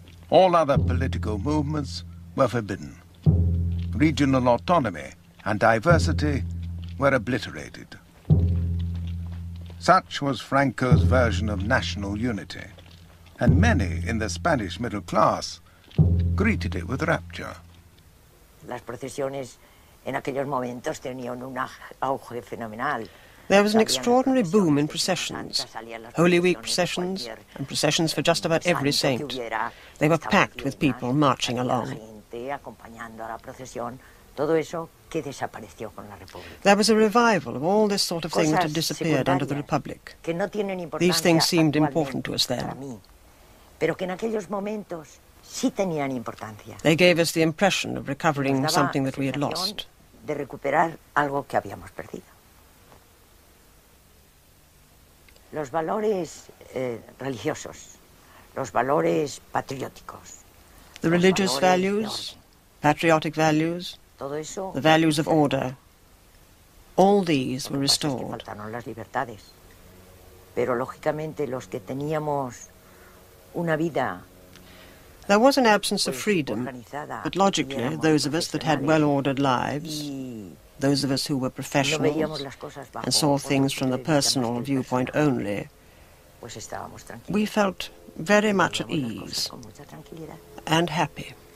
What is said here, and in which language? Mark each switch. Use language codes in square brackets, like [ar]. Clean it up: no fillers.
[en] All other political movements were forbidden. Regional autonomy and diversity were obliterated. Such was Franco's version of national unity, and many in the Spanish middle class greeted it with rapture. [es] Las procesiones en aquellos momentos tenían un auge fenomenal. [en] There was an extraordinary boom in processions, Holy Week processions, and processions for just about every saint. They were packed with people marching along. There was a revival of all this sort of thing that had disappeared under the Republic. These things seemed important to us then. They gave us the impression of recovering something that we had lost. [es] Los valores religiosos, los valores patrióticos. [en] The religious values, patriotic values, [es] todo eso, [en] the values of order, all these were restored. [es] Faltaron las libertades, pero lógicamente los que teníamos una vida. [en] There was an absence of freedom, but logically, those of us that had well-ordered lives, those of us who were professionals and saw things from the personal viewpoint only, we felt very much at ease and happy.